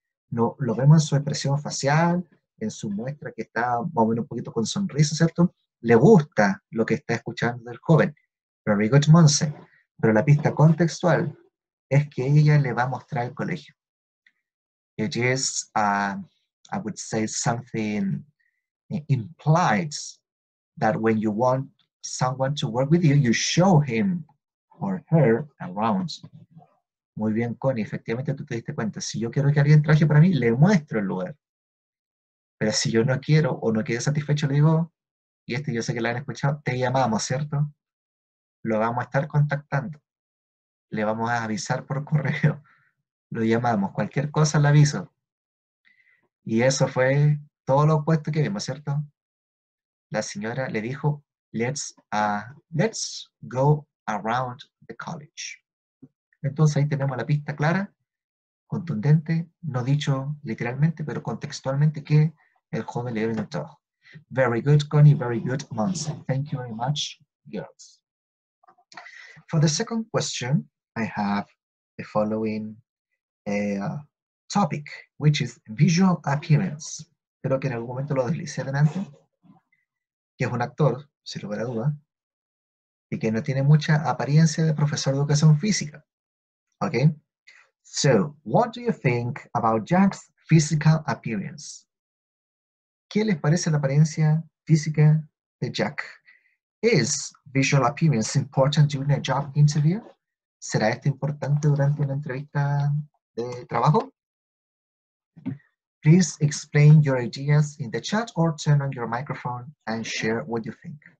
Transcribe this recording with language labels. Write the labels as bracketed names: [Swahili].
[Spanish] No, lo vemos en su expresión facial, en su muestra que está moviendo un poquito con sonrisa, ¿cierto? Le gusta lo que está escuchando del joven. [English] Very good, [Spanish] Monse. Pero la pista contextual es que ella le va a mostrar el colegio. [English] It is, I would say, something implied that when you want someone to work with you, you show him or her around. [Spanish] Muy bien, Connie, efectivamente tú te diste cuenta. Si yo quiero que alguien traje para mí, le muestro el lugar. Pero si yo no quiero o no quedé satisfecho, le digo, y este yo sé que lo han escuchado, te llamamos, ¿cierto? Lo vamos a estar contactando. Le vamos a avisar por correo. Lo llamamos. Cualquier cosa le aviso. Y eso fue todo lo opuesto que vimos, ¿cierto? La señora le dijo, [English] let's go around the college. [Spanish] Entonces ahí tenemos la pista clara, contundente, no dicho literalmente, pero contextualmente que el joven le dio el trabajo. [English] Very good, Connie. Very good, Monse. Thank you very much, girls. For the second question, I have the following topic, which is visual appearance. [Spanish] Creo que en algún momento lo deslicé adelante, que es un actor, sin lugar a duda, y que no tiene mucha apariencia de profesor de educación física. [English] Okay. So, what do you think about Jack's physical appearance? [Spanish] ¿Qué les parece la apariencia física de Jack? [English] Is visual appearance important during a job interview? [Spanish] ¿Será esto importante durante una entrevista de trabajo? [English] Please explain your ideas in the chat or turn on your microphone and share what you think.